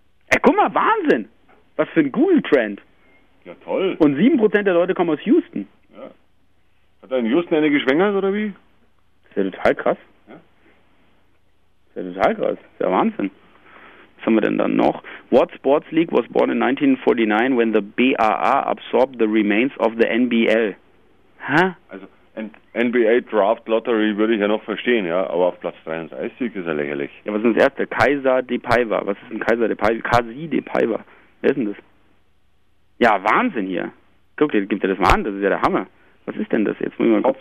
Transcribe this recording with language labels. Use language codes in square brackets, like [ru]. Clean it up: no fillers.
[de] Ey, guck mal, Wahnsinn! Was für ein Google-Trend. Ja, toll. Und 7% der Leute kommen aus Houston. Ja. Hat er in Houston eine geschwängert, oder wie? Das ist ja total krass. Ja? Das ist ja total krass. Das ist ja Wahnsinn. Was haben wir denn dann noch? [en] What Sports League was born in 1949 when the BAA absorbed the remains of the NBL? [de] Hä? Also NBA Draft Lottery würde ich ja noch verstehen, ja, aber auf Platz 33 ist er lächerlich. Ja, was ist das erste? Kaiser de Paiva. Was ist ein Kaiser de Paiva? Kasi de Paiva. Wer ist denn das? Ja, Wahnsinn hier. Guck dir, gib dir das mal an, das ist ja der Hammer. Was ist denn das jetzt? Müssen wir, Pop.